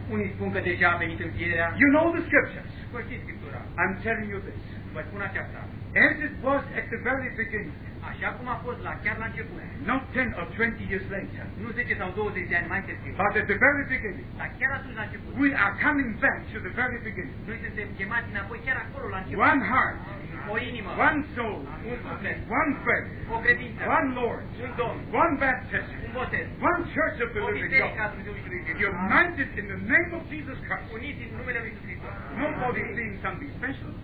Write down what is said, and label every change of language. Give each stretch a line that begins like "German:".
Romanian: Unii spun că deja a venit învierea.
English: You know the scriptures.
Romanian: Cunoști scriptura.
English: I'm telling you this.
Romanian: Vă spun aceasta.
English: As it was at the very beginning.
Romanian: Așa cum a fost la chiar la început.
English: Not 10 or 20 years later.
Romanian: Nu 10 sau 20 de ani mai târziu.
English: But at the very beginning.
Romanian: La chiar atunci la început.
English: We are coming back to the very beginning.
Romanian: Noi suntem chemați înapoi chiar acolo la început.
English: One heart.
Romanian: O inimă.
English: One soul. One faith.
Romanian: O credință.
English: One Lord.
Romanian: Un Domn.
English: One baptism.
Romanian: Un botez.
English: One church of the living God.
Romanian: O biserică a Dumnezeului Hristos.
English: United in the name of Jesus Christ.
Romanian: Uniți în numele lui Iisus Hristos.
English: Nobody is saying something special.